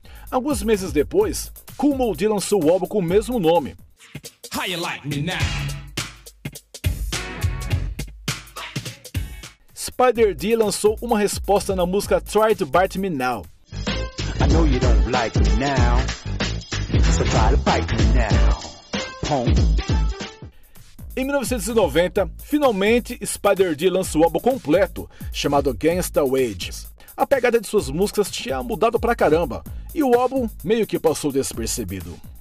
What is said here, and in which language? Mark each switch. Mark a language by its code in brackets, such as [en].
[pt] Alguns meses depois, Kool Moe Dee lançou o álbum com o mesmo nome. How You Like Me Now. Spider-D lançou uma resposta na música Try to Bite Me Now. [en] I know you don't like me now. So try to bite me now. Home. [pt] Em 1990, finalmente Spider-D lança o álbum completo, chamado Gangsta Wages. A pegada de suas músicas tinha mudado pra caramba, e o álbum meio que passou despercebido.